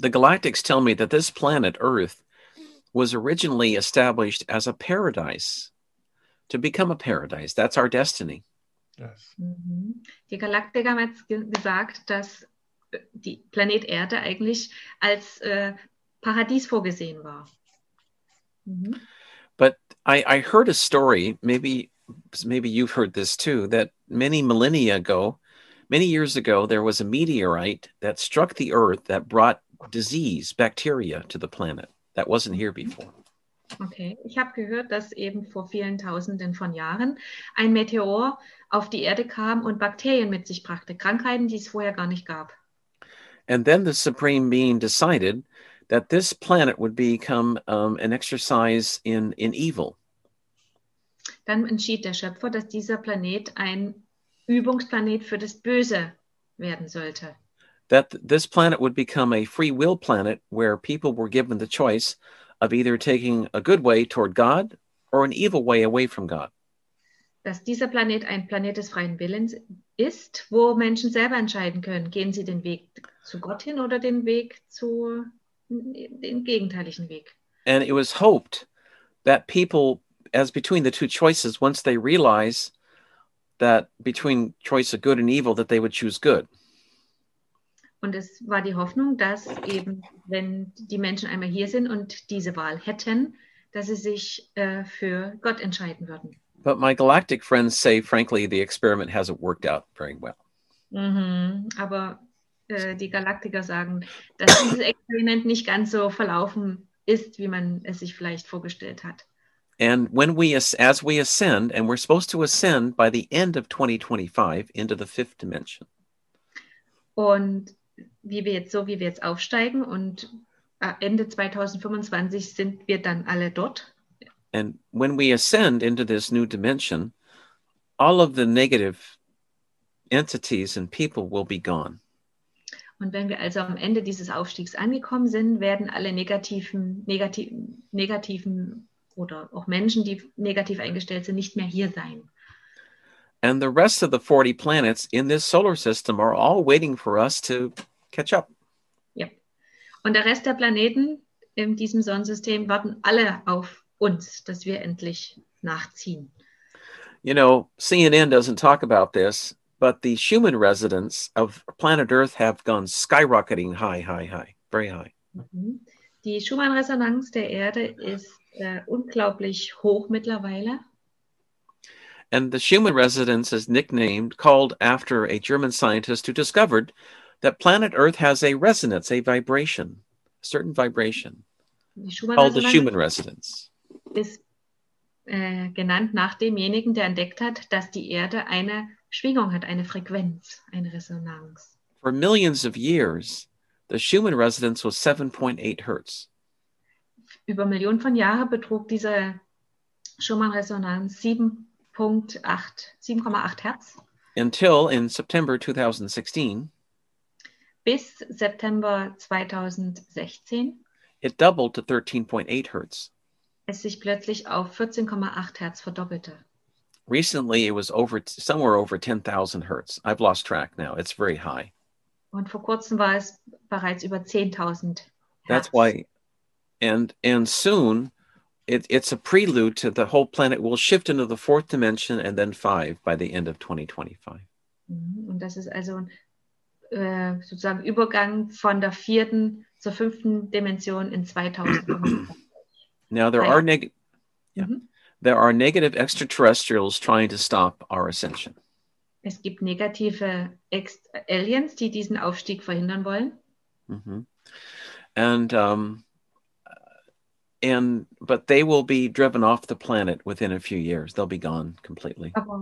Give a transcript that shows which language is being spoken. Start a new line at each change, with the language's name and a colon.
English: The Galactics tell me that this planet Earth was originally established as a paradise, to become a paradise. That's our destiny. Yes. Mm-hmm.
German: Die Galaktiker haben jetzt gesagt, dass die Planet Erde eigentlich als Paradies vorgesehen war. Mm-hmm.
English: But I heard a story, maybe you've heard this too, that many years ago, there was a meteorite that struck the Earth that brought disease, bacteria, to the planet that wasn't here before.
German: Okay, ich habe gehört, dass eben vor vielen Tausenden von Jahren ein Meteor auf die Erde kam und Bakterien mit sich brachte, Krankheiten, die es vorher gar nicht gab.
English: And then the Supreme Being decided that this planet would become an exercise in evil.
German: Dann entschied der Schöpfer, dass dieser Planet ein Übungsplanet für das Böse werden sollte.
English: That this planet would become a free will planet where people were given the choice of either taking a good way toward God or an evil way away from God.
German: Dass dieser Planet ein Planet des freien Willens ist, wo Menschen selber entscheiden können, gehen sie den Weg zu Gott hin oder den Weg zu den gegenteiligen Weg.
English: And it was hoped that people, as between the two choices, once they realize that between choice of good and evil, that they would choose good.
German: Und es war die Hoffnung, dass eben, wenn die Menschen einmal hier sind und diese Wahl hätten, dass sie sich für Gott entscheiden würden.
English: But my galactic friends say, frankly, the experiment hasn't worked out very well. Mm-hmm.
German: Aber die Galaktiker sagen, dass dieses Experiment nicht ganz so verlaufen ist, wie man es sich vielleicht vorgestellt hat.
English: And when we, as we ascend, and we're supposed to ascend by the end of 2025 into the fifth dimension.
German: Und wie wir jetzt, so wie wir jetzt aufsteigen und Ende 2025 sind wir dann alle dort.
English: And when we ascend into this new dimension, all of the negative entities and people will be gone.
German: Und wenn wir also am Ende dieses Aufstiegs angekommen sind, werden alle negativen oder auch Menschen, die negativ eingestellt sind, nicht mehr hier sein.
English: And the rest of the 40 planets in this solar system are all waiting for us to catch up. Yep.
German: Und der Rest der Planeten in diesem Sonnensystem warten alle auf uns, dass wir endlich nachziehen.
English: You know, CNN doesn't talk about this, but the Schumann residents of planet Earth have gone skyrocketing high, very high.
German: Die Schumann-Resonanz der Erde ist unglaublich hoch mittlerweile.
English: And the Schumann residence is nicknamed, called after a German scientist who discovered that planet Earth has a resonance, a vibration, a certain vibration, called the Schumann residence.
German: Ist genannt nach demjenigen, der entdeckt hat, dass die Erde eine Schwingung hat, eine Frequenz, eine Resonanz.
English: For millions of years, the Schumann residence was 7.8 Hertz.
German: Über Millionen von Jahren betrug diese Schumann-Resonanz 7,8 Hertz.
English: Until in September 2016.
German: Bis September 2016.
English: It doubled to 13.8 Hertz.
German: Es sich plötzlich auf 14,8 Hertz verdoppelte.
English: Recently it was somewhere over 10,000 Hertz. I've lost track now. It's very high.
German: Und vor kurzem war es bereits über 10,000 Hertz.
English: That's why. And soon, it's a prelude to the whole planet will shift into the fourth dimension and then five by the end of 2025.
German: Und das ist also sozusagen Übergang von der vierten zur fünften Dimension in 2025.
English: Now there are negative extraterrestrials trying to stop our ascension.
German: Es gibt negative Aliens, die diesen Aufstieg verhindern wollen. Mm-hmm.
English: But they will be driven off the planet within a few years. They'll be gone completely.